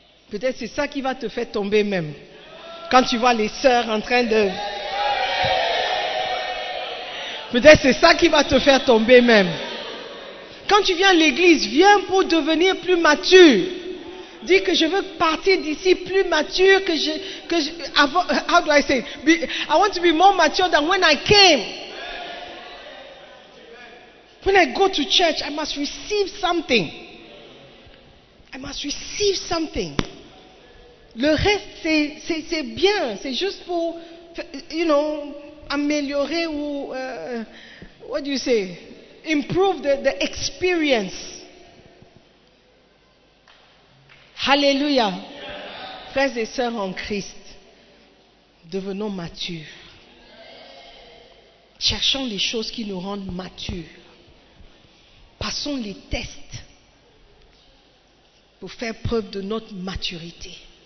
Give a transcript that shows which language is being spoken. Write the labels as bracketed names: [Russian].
[French] Peut-être c'est ça qui va te faire tomber même. Quand tu vois les sœurs en train de... Peut-être c'est ça qui va te faire tomber même. Quand tu viens à l'église, viens pour devenir plus mature. Dis que je veux partir d'ici plus mature que je... [English] how do I say it? I want to be more mature than when I came. When I go to church, I must receive something. I must receive something. [French] Le reste, c'est bien. C'est juste pour, [English] you know, [French] améliorer ou... [English] what do you say? Improve the experience. Hallelujah. [French] Frères et sœurs en Christ, devenons matures. Cherchons les choses qui nous rendent matures. Passons les tests pour faire preuve de notre maturité.